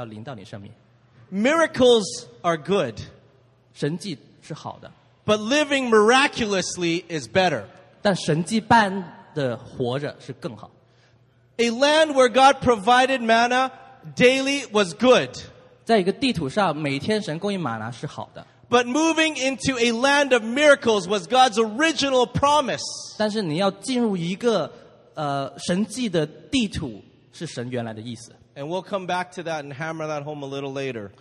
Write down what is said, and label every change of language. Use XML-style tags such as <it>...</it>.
<zh>如果我们总是想着，哇，我们的瓶最好不要用光，我们就是一直持守这个好东西，但是这妨碍着神的计划，就是他要给你更好东西要临到你生命。</zh> <en>Miracles are good.</en> <zh>神迹是好的。</zh> <en>But living miraculously is better.</en> <zh>但神迹般</zh> <en>A land where God provided manna daily was good.</en> <zh>在一个地图上，每天神供应玛拿是好的。</zh> <en>But moving into a land of miracles was God's original promise.</en> <zh>但是你要进入一个神迹的地图，是神原来的意思。</zh> <en>And we'll come back to that and hammer that home a little later.</en>